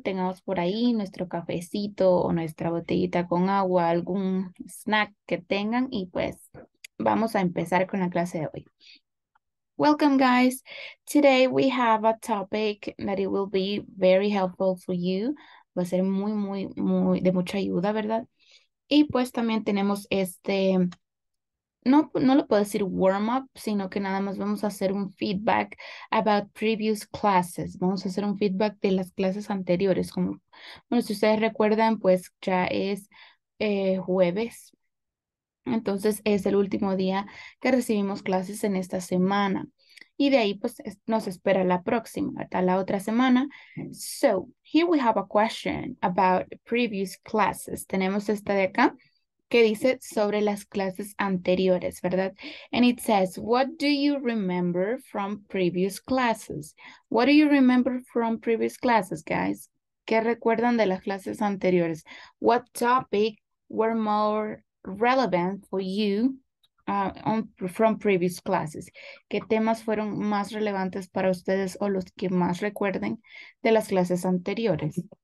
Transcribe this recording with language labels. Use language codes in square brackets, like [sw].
[es] Tengamos por ahí nuestro cafecito o nuestra botellita con agua, algún snack que tengan y pues vamos a empezar con la clase de hoy. [en] Welcome, guys. Today we have a topic that it will be very helpful for you. [es] Va a ser muy, muy, muy de mucha ayuda, ¿verdad? Y pues también tenemos este, no lo puedo decir warm up, sino que nada más vamos a hacer un feedback [en] about previous classes. [es] Vamos a hacer un feedback de las clases anteriores. Como, bueno, si ustedes recuerdan, pues ya es jueves. Entonces, es el último día que recibimos clases en esta semana. Y de ahí, pues, nos espera la próxima, hasta la otra semana. [en] So, here we have a question about previous classes. [es] Tenemos esta de acá, que dice sobre las clases anteriores, ¿verdad? [en] And it says, what do you remember from previous classes? What do you remember from previous classes, guys? [es] ¿Qué recuerdan de las clases anteriores? [en] What topic were more relevant for you from previous classes? [es] ¿Qué temas fueron más relevantes para ustedes o los que más recuerden de las clases anteriores?